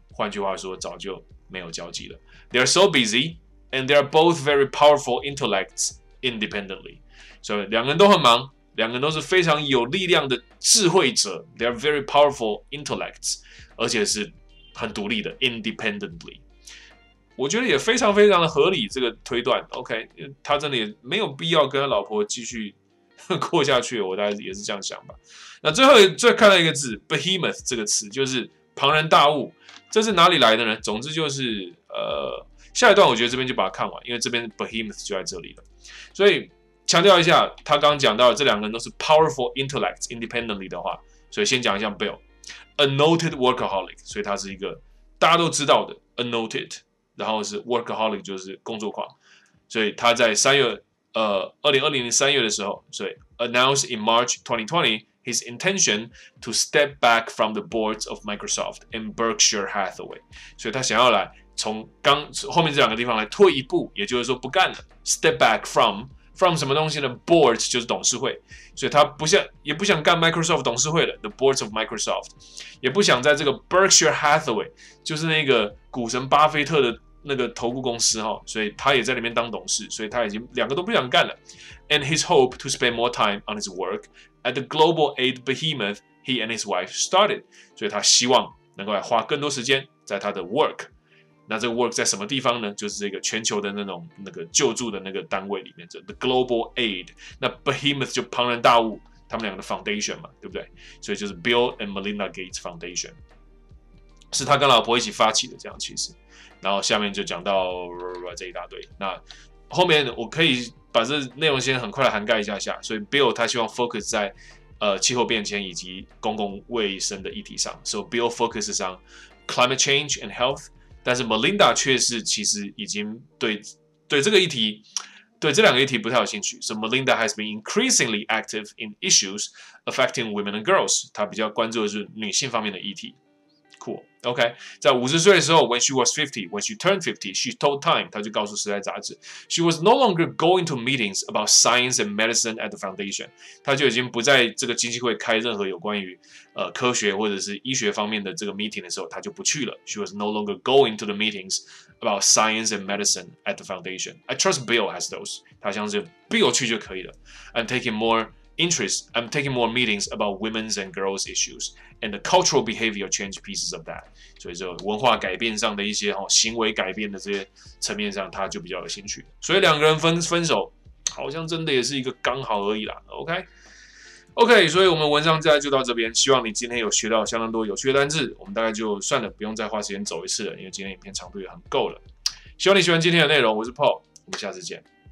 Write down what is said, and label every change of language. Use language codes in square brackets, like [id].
[zh] 换句话说，早就没有交集了。 [en] They are so busy, and they are both very powerful intellects independently. [zh] 所以两个人都很忙，两个人都是非常有力量的智慧者。 [en] They are very powerful intellects, [zh] 而且是很独立的 [en] independently. [zh] 我觉得也非常非常的合理这个推断。OK， 他真的也没有必要跟他老婆继续过下去，我大概也是这样想吧。那最后看到一个字 ，behemoth 这个词就是庞然大物。这是哪里来的呢？总之就是，下一段我觉得这边就把它看完，因为这边 behemoth 就在这里了。所以强调一下，他刚讲到的这两个人都是 [en] powerful intellects independently [zh] 的话，所以先讲一下 Bill， [en] a noted workaholic， [zh] 所以他是一个大家都知道的 a noted， 然后是 workaholic 就是工作狂，所以他在2020年3月的时候，所以 [en] announced in March 2020。 His intention to step back from the boards of Microsoft and Berkshire Hathaway. [zh] 所以他想要来从刚后面这两个地方来退一步，也就是说不干了。 Step back from 什么东西呢 ？Boards 就是董事会。所以他不想干 Microsoft 董事会了。 [en] The boards of Microsoft [zh] 也不想在这个 Berkshire Hathaway， 就是那个股神巴菲特的那个投顾公司哈。所以他也在里面当董事，所以他已经两个都不想干了。 [en] And his hope to spend more time on his work. At the global aid behemoth he and his wife started. [zh] 所以他希望能够来花更多时间在他的 work. 那这个 work 在什么地方呢？就是这个全球的那种那个救助的那个单位里面，就 [en] the global aid. [zh] 那 behemoth 就庞然大物，他们两个的 foundation 嘛，对不对？所以就是 Bill and Melinda Gates Foundation， 是他跟老婆一起发起的这样其实。然后下面就讲到这一大堆。那后面我可以。把这内容先很快的涵盖一下下，所以 Bill 他希望 focus 在气候变迁以及公共卫生的议题上 ， [en] so Bill focuses on climate change and health， [zh] 但是 Melinda 却是其实已经对对这个议题，对这两个议题不太有兴趣。 [en] So Melinda has been increasingly active in issues affecting women and girls. [zh] 她比较关注的是女性方面的议题。 [en] Cool. OK. [zh] 在五十岁的时候 [en] ，when she was 50, when she turned 50, she told Time, [zh] 她就告诉《时代》杂志 [en] ，she was no longer going to meetings about science and medicine at the foundation. [zh] 她就已经不在这个基金会开任何有关于科学或者是医学方面的这个 meeting 的时候，她就不去了。 [en] She was no longer going to the meetings about science and medicine at the foundation. I trust Bill has those. [zh] 她相信 Bill 去就可以了。 [en] I'm taking more meetings about women's and girls' issues and the cultural behavior change pieces of that. [zh] 所以就文化改变上的一些行为改变的这些层面上，他就比较有兴趣。所以两个人 分手，好像真的也是一个刚好而已啦。 OK， 所以我们文章现在就到这边，希望你今天有学到相当多有趣的单字。我们大概就算了，不用再花时间走一次了，因为今天影片长度也很够了。希望你喜欢今天的内容，我是 Paul， 我们下次见。